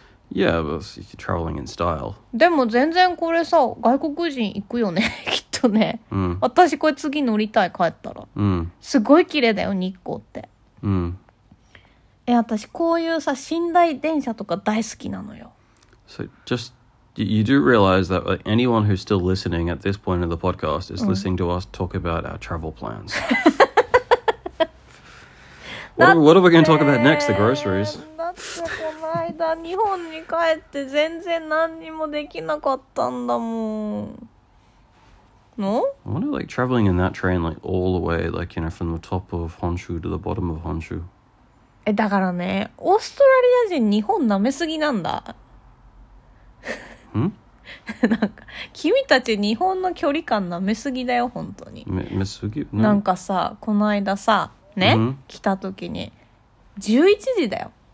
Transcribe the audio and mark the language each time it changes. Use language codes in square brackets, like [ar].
[en] Yeah, but you're traveling in style. [ja] でも全然これさ、外国人行くよね。ね、うん、私これ次乗りたい帰ったら、うん、すごい綺麗だよ日光って、うん、え、私こういうさ寝台電車とか大好きなのよ。 [en] So just you do realize that anyone who's still listening at this point of the podcast is listening to us talk about our travel plans. what are we going to talk about next? The groceries. [ja] だってこの間日本に帰って全然何にもできなかったんだもん。 [en] No? I wonder, like, traveling in that train, like, all the way, like, you know, from the top of Honshu to the bottom of Honshu. [ja] え、だからね、オーストラリア人日本舐めすぎなんだ。ん？なんか、君たち日本の距離感舐めすぎだよ、本当に。めすぎ？なんかさ、この間さ、ね、mm-hmm. 来た時に、11時だよ。